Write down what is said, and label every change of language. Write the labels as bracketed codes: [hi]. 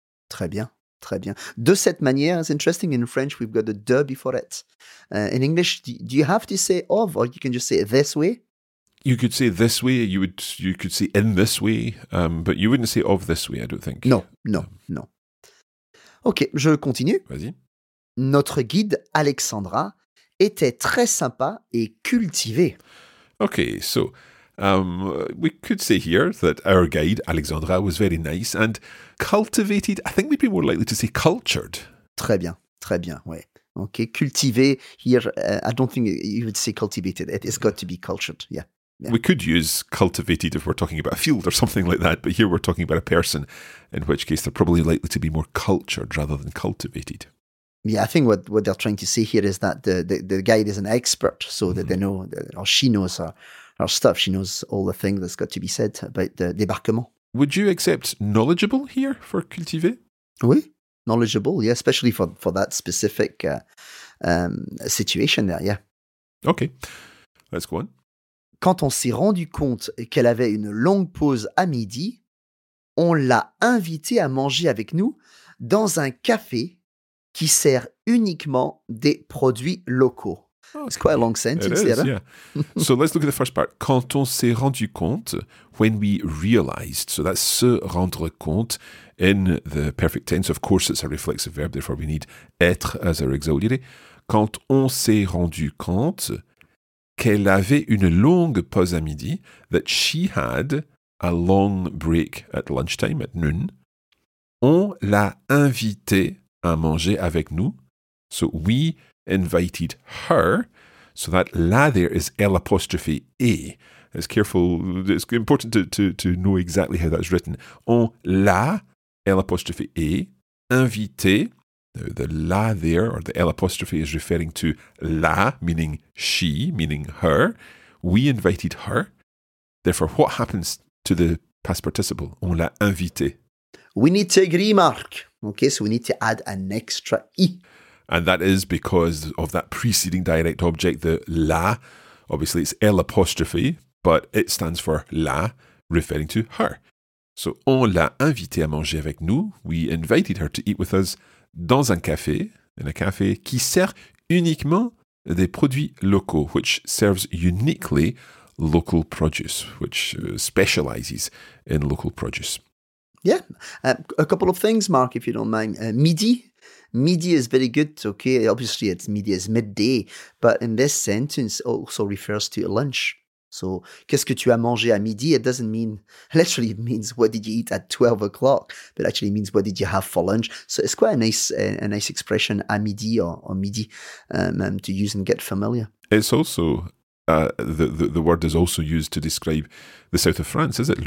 [fr] Très bien, très bien. De cette manière, [en] it's interesting, in French we've got the de before it. In English, do you have to say of, or you can just say this way? You could say this way, you could say in this way, but you wouldn't say of this way, I don't think. [fr] Non, non, non. Ok, je continue. Vas-y. Notre guide, Alexandra, était très sympa et cultivée. [en] Ok, so, we could say here that our guide, Alexandra, was very nice and cultivated. I think we'd be more likely to say cultured. [fr] Très bien, ouais. [en] Ok, cultivé, here, I don't think you would say cultivated. It's got to be cultured, yeah. Yeah. We could use cultivated if we're talking about a field or something like that, but here we're talking about a person, in which case they're probably likely to be more cultured rather than cultivated. Yeah, I think what they're trying to say here is that the guide is an expert, so that they know, or she knows her stuff. She knows all the things that's got to be said about the débarquement. Would you accept knowledgeable here for cultivé? [fr] Oui, [en] knowledgeable, yeah, especially for that specific situation there, yeah. Okay, let's go on. [fr] Quand on s'est rendu compte qu'elle avait une longue pause à midi, on l'a invitée à manger avec nous dans un café qui sert uniquement des produits locaux. [en] Okay. It's quite a long sentence. It is, yeah. So let's look at the first part. [fr] Quand on s'est rendu compte, [en] when we realized, so that's se rendre compte, in the perfect tense, of course it's a reflexive verb, therefore we need être as our auxiliary. [fr] Quand on s'est rendu compte qu'elle avait une longue pause à midi, [en] that she had a long break at lunchtime, at noon. [fr] On l'a invité à manger avec nous. [en] So we invited her. So that la there is L apostrophe A. It's careful, it's important to know exactly how that's written. [fr] On l'a, [en] L apostrophe A, invité. Now, the la there, or the L apostrophe, is referring to la, meaning she, meaning her. We invited her. Therefore, what happens to the past participle? [fr] On l'a invité. [en] We need to agree, Marc. Okay, so we need to add an extra I. And that is because of that preceding direct object, the la. Obviously, it's L apostrophe, but it stands for la, referring to her. [fr] So, on l'a invité à manger avec nous. [en] We invited her to eat with us. [fr] Dans un café, [en] in a café, [fr] qui sert uniquement des produits locaux, [en] which serves uniquely local produce, which specializes in local produce. Yeah, a couple of things, Marc, if you don't mind. Midi. Midi is very good, okay? Obviously, it's midi is midday, but in this sentence, it also refers to lunch. [fr] So, qu'est-ce que tu as mangé à midi? [en] It doesn't mean, literally it means, what did you eat at 12 o'clock? But actually it means, what did you have for lunch? So it's quite a nice expression, à midi or midi, to use and get familiar. It's also, the word is also used to describe the south of France, is it?